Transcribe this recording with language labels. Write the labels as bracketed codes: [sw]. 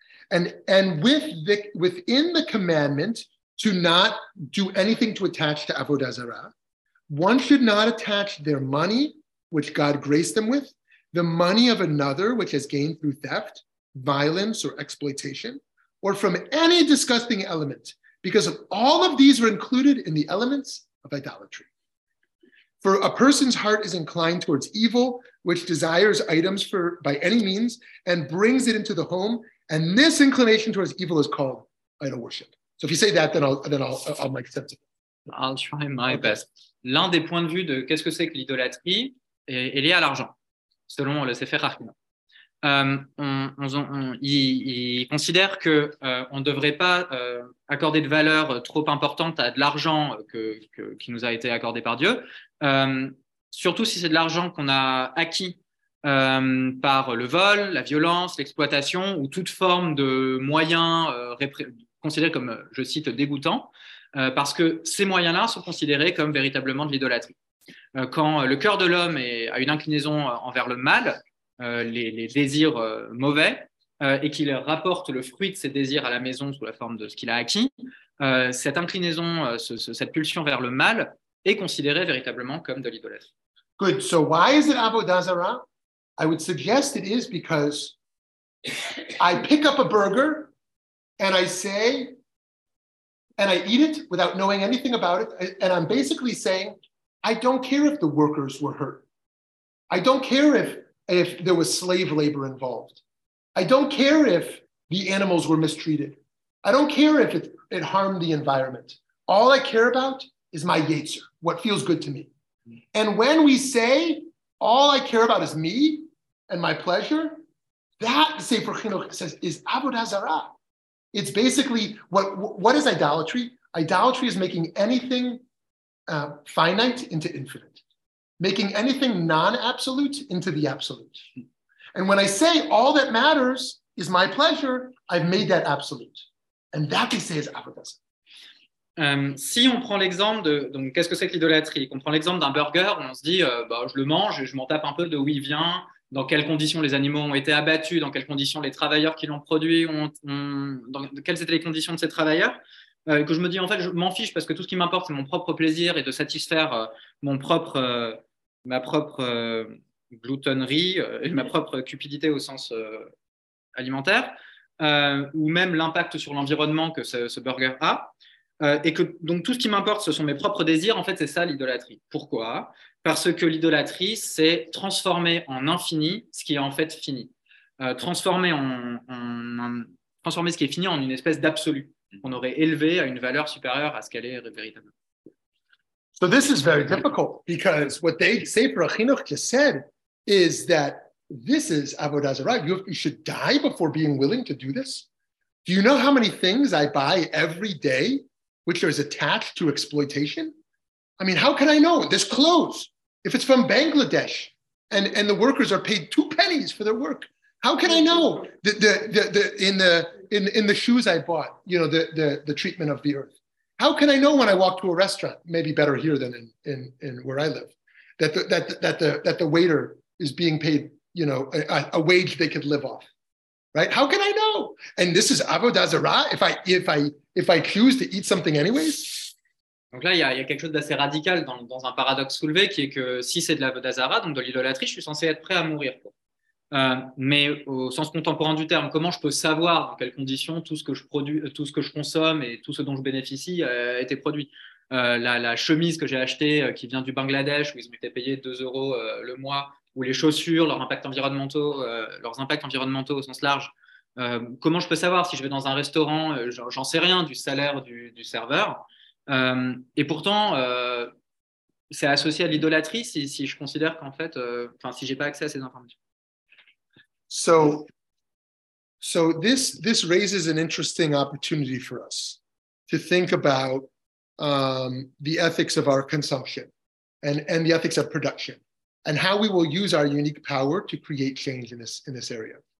[en] And within the commandment to not do anything to attach to Avodah Zarah, one should not attach their money, which God graced them with, the money of another, which has gained through theft, violence, or exploitation, or from any disgusting element, because of all of these are included in the elements of idolatry. For a person's heart is inclined towards evil, which desires items by any means and brings it into the home. And this inclination towards evil is called idol worship. So if you say that, then I'll make sense of it. I'll try my best. [fr] L'un des points de vue de qu'est-ce que c'est que l'idolâtrie est lié à l'argent, selon le Sefer HaChinuch. Ils considèrent que on ne devrait pas accorder de valeur trop importante à de l'argent qui nous a été accordé par Dieu, surtout si c'est de l'argent qu'on a acquis par le vol, la violence, l'exploitation ou toute forme de moyens considéré comme, je cite, dégoûtant, parce que ces moyens-là sont considérés comme véritablement de l'idolâtrie. Quand le cœur de l'homme a une inclinaison envers le mal, les désirs mauvais, et qu'il rapporte le fruit de ses désirs à la maison sous la forme de ce qu'il a acquis, cette inclinaison, cette pulsion vers le mal est considérée véritablement comme de l'idolâtrie. [en] Good. So why is it Avodah Zarah? I would suggest it is because I pick up a burger and I say, and I eat it without knowing anything about it, and I'm basically saying, I don't care if the workers were hurt. I don't care if there was slave labor involved. I don't care if the animals were mistreated. I don't care if it harmed the environment. All I care about is my yetzer, what feels good to me. And when we say, all I care about is me and my pleasure, that, Sefer Chinuch says, is Avodah Zarah. It's basically, what is idolatry? Idolatry is making anything finite into infinite, making anything non-absolute into the absolute. And when I say all that matters is my pleasure, I've made that absolute. And that they say is Avodah Zarah. [fr] Si on prend l'exemple de, donc qu'est-ce que c'est que l'idolâtrie ? On prend l'exemple d'un burger, on se dit, je le mange, je m'en tape un peu de où il vient, dans quelles conditions les animaux ont été abattus, dans quelles conditions les travailleurs qui l'ont produit, quelles étaient les conditions de ces travailleurs, que je me dis, en fait, je m'en fiche parce que tout ce qui m'importe, c'est mon propre plaisir et de satisfaire ma propre gloutonnerie et ma propre cupidité au sens alimentaire, ou même l'impact sur l'environnement que ce burger a. Et que donc tout ce qui m'importe, ce sont mes propres désirs. En fait, c'est ça l'idolâtrie. Pourquoi ? Parce que l'idolâtrie, c'est transformer en infini ce qui est en fait fini. Transformer ce qui est fini en une espèce d'absolu qu'on aurait élevé à une valeur supérieure à ce qu'elle est véritablement. [en] So this is very difficult because what they say, Sefer HaChinuch just said, is that this is Avodah Zarah. You should die before being willing to do this. Do you know how many things I buy every day which is attached to exploitation? I mean, how can I know? This clothes, if it's from Bangladesh and the workers are paid 2 pennies for their work, how can I know the shoes I bought, you know, the treatment of the earth? How can I know when I walk to a restaurant, maybe better here than in where I live, that the waiter is being paid, you know, a wage they could live off? Right? How can I know? And this is Avodah Zarah if I choose to eat something anyways. [fr] Donc là, il y a quelque chose d'assez radical dans un paradoxe soulevé qui est que si c'est de l'Avodah Zarah, donc de l'idolâtrie, je suis censé être prêt à mourir. Mais au sens contemporain du terme, comment je peux savoir dans quelles conditions tout ce que je produis, tout ce que je consomme et tout ce dont je bénéficie a été produit? La chemise que j'ai achetée qui vient du Bangladesh où ils m'étaient payés 2 euros le mois, ou les chaussures, leurs impacts environnementaux au sens large. Comment je peux savoir si je vais dans un restaurant, j'en sais rien du salaire du serveur. Et pourtant, c'est associé à l'idolâtrie si je considère qu'en fait, si j'ai pas accès à ces informations. [en] So this raises an interesting opportunity for us to think about the ethics of our consumption and the ethics of production, and how we will use our unique power to create change in this area.